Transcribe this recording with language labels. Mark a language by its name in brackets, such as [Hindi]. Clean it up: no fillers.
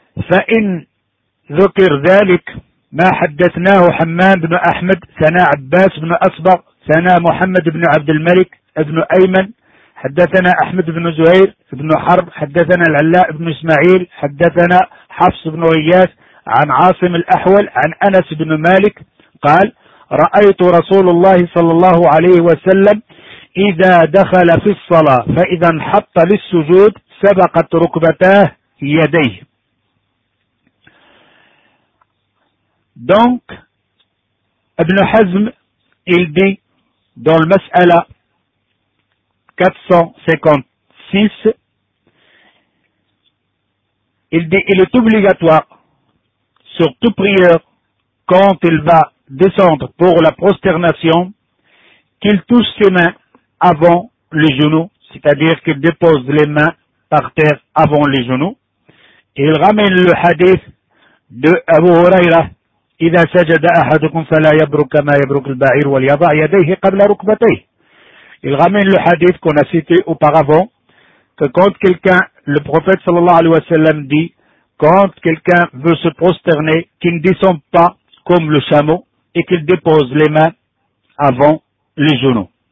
[Arabic] فإن ذكر ذلك ما حدثناه حمام بن أحمد سنا عباس بن أصبغ سنا محمد بن عبد الملك بن أيمن حدثنا أحمد بن زهير بن حرب حدثنا العلاء بن إسماعيل حدثنا حفص بن غياث عن عاصم الأحول عن أنس بن مالك قال رأيت رسول الله صلى الله عليه وسلم إذا دخل في الصلاة فإذا انحط للسجود سبقت ركبتاه يديه. دونك ابن حزم إلدي دون المسألة [French] 456, il dit, il est obligatoire sur toute prière quand il va descendre pour la prosternation qu'il touche ses mains avant les genoux, c'est-à-dire qu'il dépose les mains par terre avant les genoux. Il ramène le hadith de Abu Huraira, [Arabic] إِذَا سَجَدَ أَحَدُكُمْ فَلَا يَبْرُكَ كَمَا يَبْرُكَ الْبَعِيرُ وَلْيَضَعْ يَدَيْهِ قَبْلَ رُكْبَتَيْهِ. [French] Il ramène le hadith qu'on a cité auparavant, que quand quelqu'un, le prophète sallallahu alayhi wa sallam dit, quand quelqu'un veut se prosterner, qu'il ne descende pas comme le chameau et qu'il dépose les mains avant les genoux.